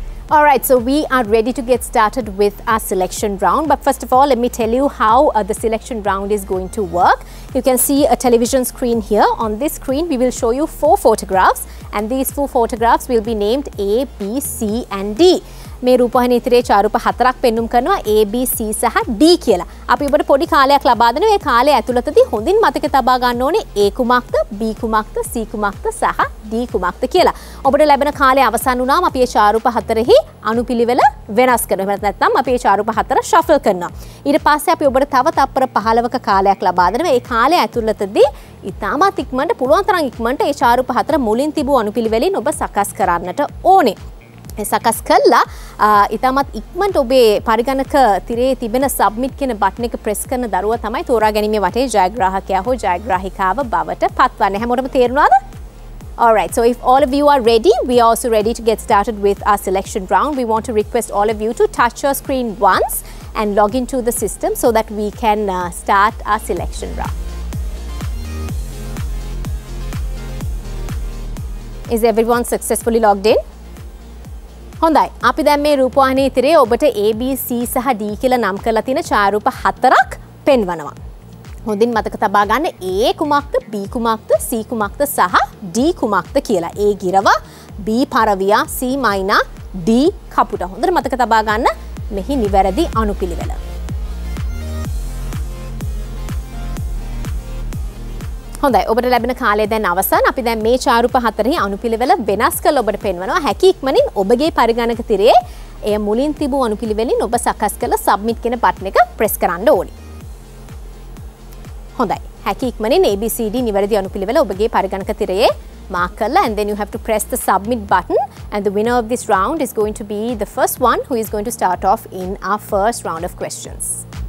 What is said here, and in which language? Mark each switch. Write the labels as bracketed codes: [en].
[en] All right, so we are ready to get started with our selection round. But first of all, let me tell you how the selection round is going to work. You can see a television screen here. On this screen, we will show you four photographs. And these four photographs will be named A, B, C and D. [si] මේ රූපවාහිනී ඉදිරියේ චාරූප හතරක් පෙන්වුම් කරනවා A, B, C සහ D කියලා. අපි ඔබට පොඩි කාලයක් ලබා දෙනවා. මේ කාලය ඇතුළතදී හොඳින් මතක තබා ගන්න ඕනේ A කුමක්ද, B කුමක්ද, C කුමක්ද සහ D කුමක්ද කියලා. ඔබට ලැබෙන කාලය අවසන් වුණාම අපි මේ චාරූප හතරෙහි අනුපිළිවෙල වෙනස් කරනවා. නැත්නම් අපි මේ චාරූප හතර ෂෆල් කරනවා. ඊට පස්සේ අපි ඔබට තව තප්පර 15ක කාලයක් ලබා දෙනවා. මේ කාලය ඇතුළතදී ඉතාමත් ඉක්මනට පුළුවන් තරම් ඉක්මනට මේ චාරූප හතර මුලින් තිබූ අනුපිළිවෙලින් ඔබ සකස් කරන්නට ඕනේ. සකස් කළා ඉතාමත් ඉක්මනට ඔබේ පරිගණක තිරයේ තිබෙන සබ්මිට් කියන බටන් එක ප්‍රෙස් කරන දරුවා තමයි තෝරා ගැනීමේ වටේ ජයග්‍රාහකයා හෝ ජයග්‍රාහිකාව බවට පත්වන්නේ. හැමෝටම තේරුණාද? [en] Alright, so if all of you are ready, we are also ready to get started with our selection round. We want to request all of you to touch your screen once and log into the system so that we can start our selection round. Is everyone successfully logged in? [si] හොඳයි, අපි දැන් මේ රූපවාහිනී ඉදිරියේ ඔබට A, B, C සහ D කියලා නම් කරලා තියෙන චාරූප හතරක් පෙන්වනවා. හොඳින් මතක තබා ගන්න A කුමක්ද, B කුමක්ද, C කුමක්ද සහ D කුමක්ද කියලා. A ගිරව, B පරවියා, C මයිනා, D කපුටා. හොඳට මතක තබා ගන්න මෙහි නිවැරදි අනුපිළිවෙල. හොඳයි, ඔබට ලැබෙන කාලය දැන් අවසන්. අපි දැන් මේ චාරූප හතරෙහි අනුපිළිවෙල වෙනස් කරලා ඔබට පෙන්වනවා. හැකි ඉක්මනින් ඔබගේ පරිගණක තිරයේ එය මුලින් තිබූ අනුපිළිවෙලින් ඔබ සකස් කළ සබ්මිට් කියන බටන් එක ප්‍රෙස් කරන්න ඕනි. හොඳයි, හැකි ඉක්මනින් ABCD නිවැරදි අනුපිළිවෙල ඔබගේ පරිගණක තිරයේ mark කරලා [en] and then you have to press the submit button and the winner of this round is going to be the first one who is going to start off in our first round of questions.